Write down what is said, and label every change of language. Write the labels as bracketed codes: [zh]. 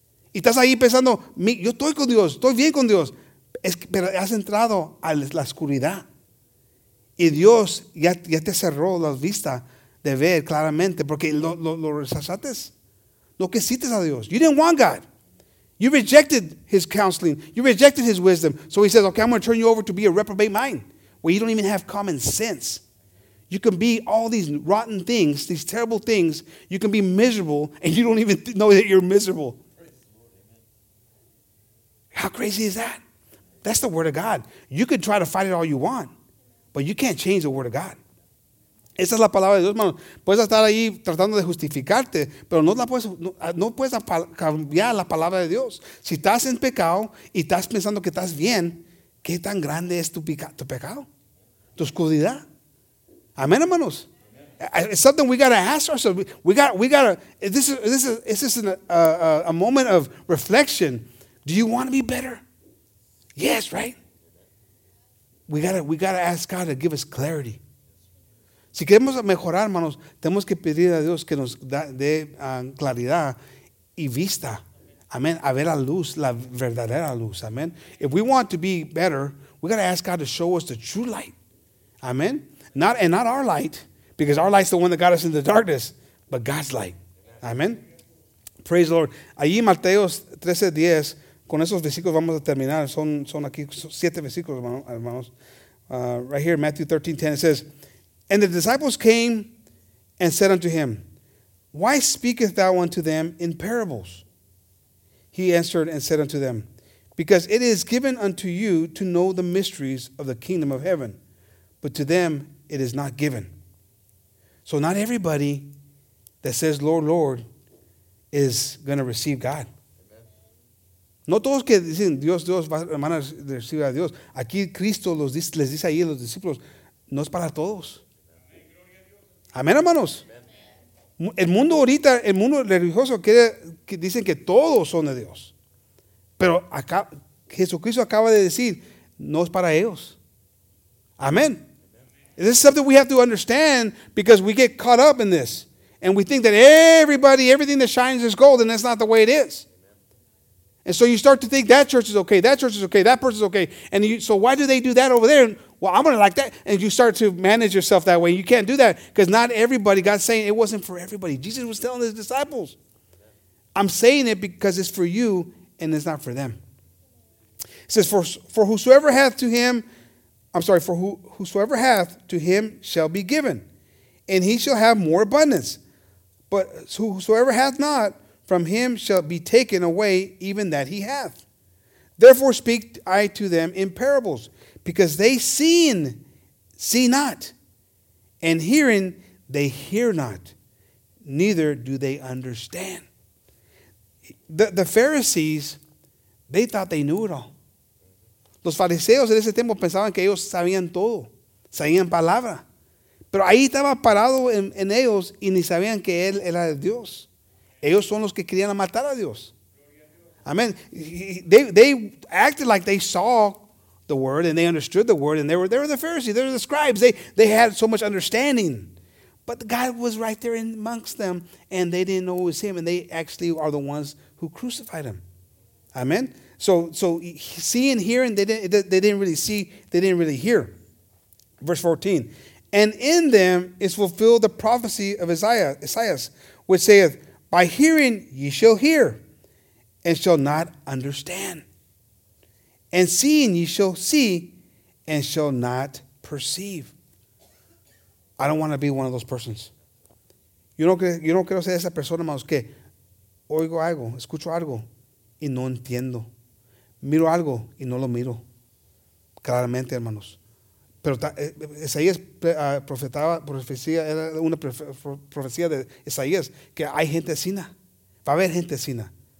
[es] Y estás ahí pensando, yo estoy con Dios, estoy bien con Dios, pero has entrado a la oscuridad y Dios ya te cerró las vistas de ver claramente, porque lo rechazaste, lo que hiciste a Dios. [en] You didn't want God. You rejected his counseling. You rejected his wisdom. So he says, okay, I'm going to turn you over to be a reprobate mind, where you don't even have common sense. You can be all these rotten things, these terrible things. You can be miserable, and you don't even know that you're miserable. How crazy is that? That's the word of God. You can try to fight it all you want, but you can't change the word of God. [es] Esa es la palabra de Dios, hermano. Puedes estar ahí tratando de justificarte, pero no puedes cambiar la palabra de Dios. Si estás en pecado y estás pensando que estás bien, ¿qué tan grande es tu pecado? ¿Tu oscuridad? Amén, hermanos. [en] It's something we got to ask ourselves. This is a moment of reflection. Do you want to be better? Yes, right? We got to ask God to give us clarity. [es] Si queremos mejorar, hermanos, tenemos que pedir a Dios que nos dé claridad y vista. Amén. A ver la luz, la verdadera luz. Amén. [en] If we want to be better, we got to ask God to show us the true light. Amén. Not our light, because our light's the one that got us in the darkness, but God's light. Amén. Praise the Lord. [es] Allí Mateo 13:10, con esos versículos vamos a terminar. Son aquí siete versículos, hermanos. [en] Right here, Matthew 13:10, it says, and the disciples came and said unto him, why speakest thou unto them in parables? He answered and said unto them, because it is given unto you to know the mysteries of the kingdom of heaven, but to them it is not given. So not everybody that says, Lord, Lord, is going to receive God. [es] No todos que dicen, Dios, Dios, van a recibir a Dios. Aquí Cristo les dice ahí a los discípulos, no es para todos. Amén, hermanos. El mundo ahorita, el mundo religioso, que dicen que todos son de Dios. Pero acá, Jesucristo acaba de decir, no es para ellos. Amén. [en] This is something we have to understand, because we get caught up in this. And we think that everything that shines is gold, and that's not the way it is. And so you start to think that church is okay, that church is okay, that person is okay. And so why do they do that over there? Well, I'm going to like that. And you start to manage yourself that way. You can't do that, because not everybody, God's saying it wasn't for everybody. Jesus was telling his disciples, I'm saying it because it's for you and it's not for them. It says, whosoever hath to him shall be given, and he shall have more abundance. But whosoever hath not, from him shall be taken away even that he hath. Therefore speak I to them in parables, because they see not, and hearing they hear not, neither do they understand. The Pharisees, they thought they knew it all. [es] Los fariseos en ese tiempo pensaban que ellos sabían todo, sabían palabra. Pero ahí estaba parado en ellos y ni sabían que él era Dios. Ellos son los que querían matar a Dios. Amen. [en] They acted like they saw the word, and they understood the word, and they were the Pharisees, they were the scribes. They had so much understanding. But God was right there amongst them, and they didn't know it was him, and they actually are the ones who crucified him. Amen? So seeing, hearing, they didn't really hear. Verse 14, and in them is fulfilled the prophecy of Isaiah, which saith, by hearing ye shall hear, and shall not understand. And seeing ye shall see, and shall not perceive. I don't want to be one of those persons. [es] Yo no quiero ser esa persona, más que oigo algo, escucho algo, y no entiendo. Miro algo y no lo miro. Claramente, hermanos. Pero Isaías profetaba, profecía, era una profecía de Isaías, que hay gente sina. Va a haber gente sina.